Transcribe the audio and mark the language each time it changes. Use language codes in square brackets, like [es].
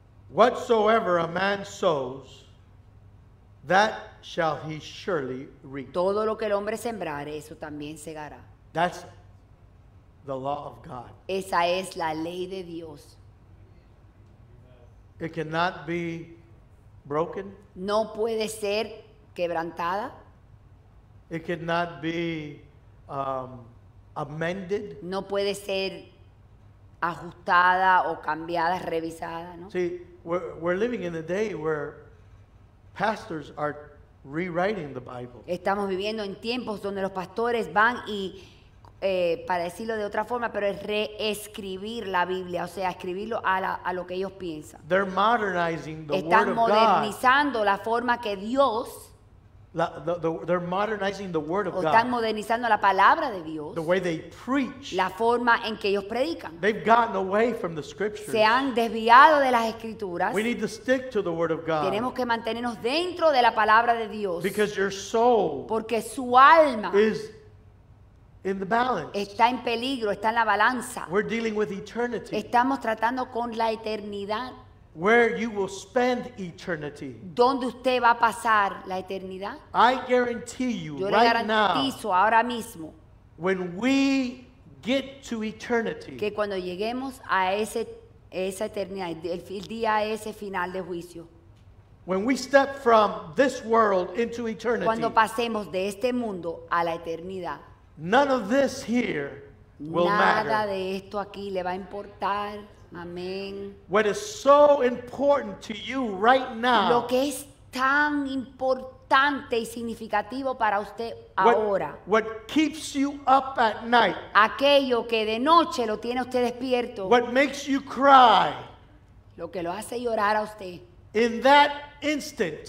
[en] Whatsoever a man sows, that shall he surely reap. [es] Todo lo que el hombre sembrare, eso también segará. [en] That's the law of God. [es] Esa es la ley de Dios. [en] It cannot be broken. [es] No puede ser quebrantada. [en] It cannot be amended. [es] No puede ser ajustada o cambiada, revisada, ¿no? [en] See, we're living in a day where pastors are rewriting the Bible. [es] Estamos viviendo en tiempos donde los pastores van y, para decirlo de otra forma, pero es reescribir la Biblia, o sea, escribirlo a lo que ellos piensan. [en] They're modernizing the [es] Están [en] Word [es] modernizando [en] of God. [es] La forma que Dios [en] They're modernizing the word of God. [es] Están modernizando la palabra de Dios. [en] The way they preach. [es] La forma en que ellos predican. [en] They've gotten away from the scriptures. [es] Se han desviado de las escrituras. [en] We need to stick to the word of God. [es] Tenemos que mantenernos dentro de la palabra de Dios. [en] Because your soul. [es] Porque su alma. [en] Is in the balance. [es] Está en peligro, está en la balanza. [en] We're dealing with eternity. [es] Estamos tratando con la eternidad. [en] Where you will spend eternity. [es] ¿Dónde usted va a pasar la eternidad? [en] I guarantee you [es] Yo le garantizo [en] right now, [es] ahora mismo. [en] When we get to eternity. [es] Que cuando lleguemos a esa eternidad, el día ese final de juicio. [en] When we step from this world into eternity. [es] Cuando pasemos de este mundo a la eternidad. [en] None of this here. will matter. [es] Nada de esto aquí le va a importar. Amén. [en] What is so important to you right now? [es] Lo que es tan importante y significativo para usted ahora. [en] What keeps you up at night? [es] Aquello que de noche lo tiene usted despierto. [en] What makes you cry? [es] Lo que lo hace llorar a usted. [en] In that instant.